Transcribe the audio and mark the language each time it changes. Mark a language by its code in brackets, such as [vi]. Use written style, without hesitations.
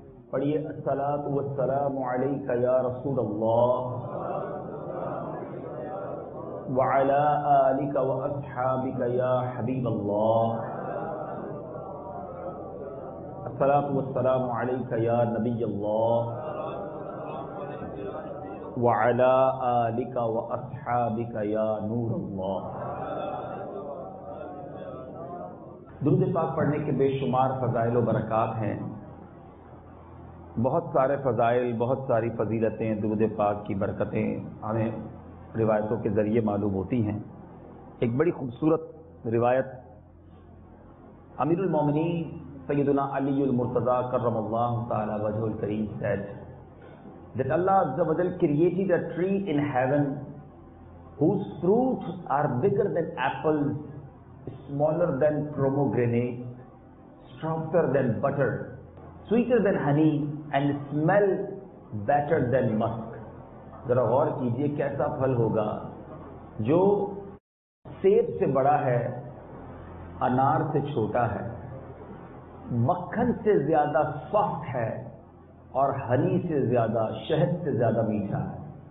[ar] پڑھیے، الصلاة والسلام عليك يا رسول الله وعلى آلك وأصحابك يا حبيب الله، الصلاة والسلام عليك يا نبي الله وعلى آلك وأصحابك يا نور الله. [ur] درود پاک پڑھنے کے بے شمار فضائل و برکات ہیں، بہت سارے فضائل، بہت ساری فضیلتیں، درود پاک کی برکتیں ہمیں روایتوں کے ذریعے معلوم ہوتی ہیں. ایک بڑی خوبصورت روایت، امیر المومنین سیدنا علی المرتضیٰ کرم اللہ تعالی وجہ الکریم [en] said that Allah عز و جل created a tree in heaven whose fruits are bigger than apples, smaller than pomegranate, stronger than butter, sweeter than honey, and smell better than musk. [ur] ذرا غور کیجئے، کیسا پھل ہوگا جو سیب سے بڑا ہے، انار سے چھوٹا ہے، مکھن سے زیادہ سافٹ ہے، اور ہنی سے زیادہ، شہد سے زیادہ میٹھا ہے.